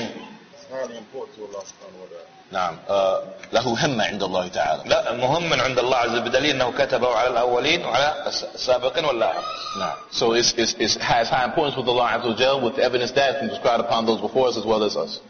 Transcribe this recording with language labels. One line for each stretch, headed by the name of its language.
English: It's highly important to Allah subhanahu wa ta'ala.
Arabic: نعم. له هم عند الله تعالى. لا مهم عند الله عز وجل بدليل أنه كتبه على الأولين وعلى السابقين واللاحق. نعم.
English: So it has high importance with Allah عز وجل with the evidence that has been described upon those before us as well as us.